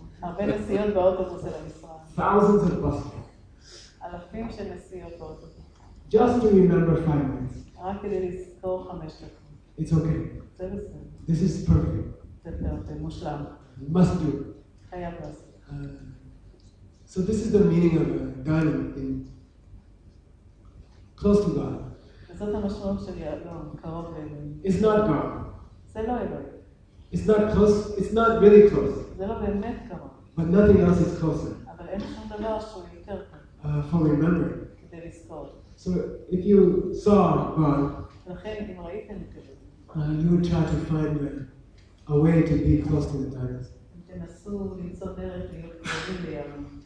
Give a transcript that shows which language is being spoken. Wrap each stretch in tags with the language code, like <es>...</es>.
<he>הרבה נסיעות באוטובוס אל המשרד.</he> <en>Thousands of bus rides.</en> <he>אלפים של נסיעות באוטובוס.</he> <en>Just to remember 5 minutes.</en> <he>רק כדי לזכור 5 דקות.</he> <en>It's okay.</en> <he>זה בסדר.</he> <en>This is perfect.</en> <he>זה מושלם.</he> <en>Must do.</en> <he>חייב לעשות.</he> <en>So this is the meaning of Gaon in close to God.</en> <he>זאת המשמעות של יהלום, קרוב לאלוהים.</he> <en>It's not God.</en> <he>זה לא אלוהים.</he> <en>It's not close, it's not really close.</en> <he>זה לא באמת קרוב.</he> <en>But nothing else is closer.</en> <he>אבל אין שום דבר שהוא יותר קרוב.</he> <en>For remembering.</en> <he>כדי לזכור.</he> <en>So if you saw God,</en> <he>לכן אם ראיתם את אלוהים,</he> <en>you would try to find a way to be close to the Titus.</en> <he>תנסו למצוא דרך להיות קרובים ליהלום.</he>